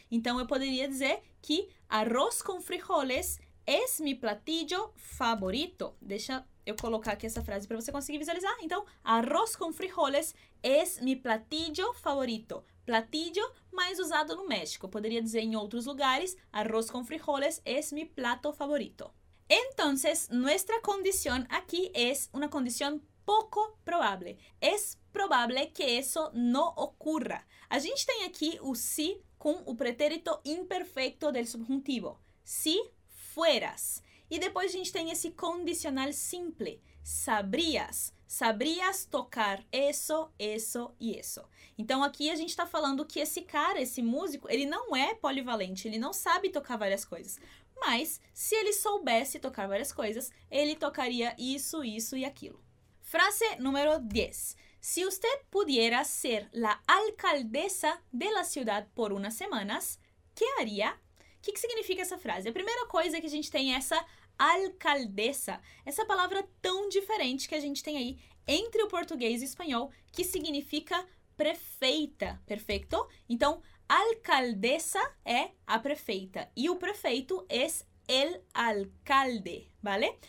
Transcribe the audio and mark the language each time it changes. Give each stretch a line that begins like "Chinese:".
Portuguese: Então, eu poderia dizer que
Spanish: arroz con frijoles es mi platillo favorito.
Portuguese: Deixa eu colocar aqui essa frase para você conseguir visualizar. Então,
Spanish: arroz con frijoles es mi platillo favorito.
Portuguese: Platillo mais usado no México. Eu poderia dizer em outros lugares,
Spanish: arroz con frijoles es mi plato favorito. Entonces, nuestra condición aquí es una condición poco probable. Es probable que eso no ocurra.
Portuguese: A gente tem aqui o si com o pretérito imperfecto del subjuntivo.
Spanish: Si fueras.
Portuguese: E depois a gente tem esse condicional simple.
Spanish: Sabrías. Sabrías tocar eso, eso e eso.
Portuguese: Então, aqui a gente está falando que esse cara, esse músico, ele não é polivalente, ele não sabe tocar várias coisas. Mas, se ele soubesse tocar várias coisas, ele tocaria isso, isso e aquilo. Frase número 10.
Spanish: Si usted pudiera ser la alcaldesa de la ciudad por unas semanas, ¿qué haría? ¿Qué significa
Portuguese: essa frase? A primeira coisa que a gente tem é essa alcaldesa, essa palavra tão diferente que a gente tem aí entre o português e o espanhol, que significa prefeita, perfeito? Então, alcaldesa é a prefeita e o prefeito é el alcalde, vale?